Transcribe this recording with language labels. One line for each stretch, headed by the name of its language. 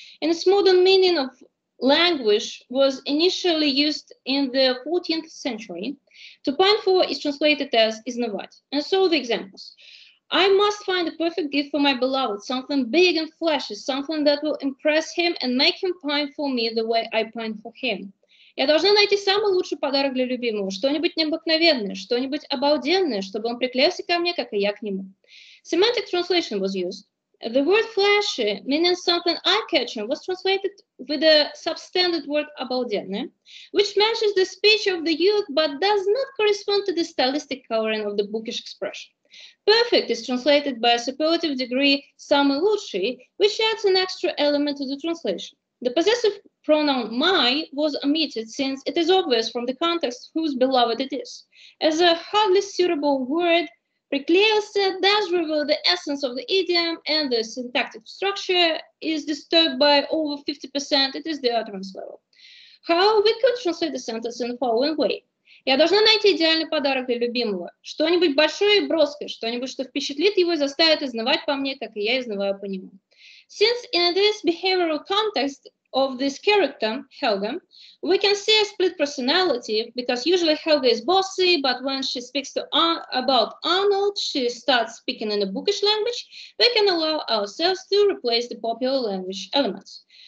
English: And its modern meaning of languish was initially used in the 14th century. To pine for is translated as изнывать. And so the examples. I must find a perfect gift for my beloved, something big and flashy, something that will impress him and make him pine for me the way I pine for him.
Russian: Я должна найти самый лучший подарок для любимого, что-нибудь необыкновенное, что-нибудь обалденное, чтобы он приклеился ко мне, как и я к нему.
English: Semantic translation was used. The word flashy, meaning something eye-catching, was translated with a substandard word обалденное, which matches the speech of the youth but does not correspond to the stylistic coloring of the bookish expression. Perfect is translated by a superlative degree
Russian: самый лучший,
English: which adds an extra element to the translation. The possessive pronoun my was omitted since it is obvious from the context whose beloved it is. As a hardly suitable word, приклеился does reveal the essence of the idiom, and the syntactic structure is disturbed by over 50%. It is the utterance level. However, we could translate the sentence in the following way.
Russian: Я должна найти идеальный подарок для любимого. Что-нибудь большое и броское, что-нибудь, что впечатлит его и заставит изнывать по мне, как и я изнываю по нему.
English: Since in this behavioral context of this character, Helga, we can see a split personality, because usually Helga is bossy, but when she speaks to about Arnold, she starts speaking in a bookish language, we can allow ourselves to replace the popular language elements.